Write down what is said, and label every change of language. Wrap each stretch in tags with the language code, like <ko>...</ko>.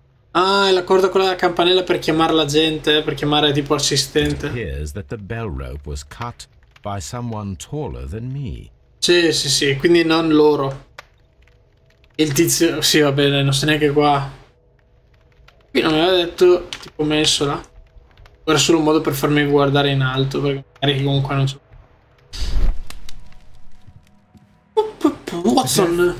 <it>Ah, è la corda quella della campanella per chiamare la gente, per chiamare tipo assistente.</it> <en>It appears that the bell rope was cut by someone taller than me.</en> <it>Sì, quindi non loro. Il tizio, sì, va bene, non sei neanche qua. Qui non mi aveva detto tipo mensola. Era solo un modo per farmi guardare in alto, perché magari comunque non c'è. Watson</it>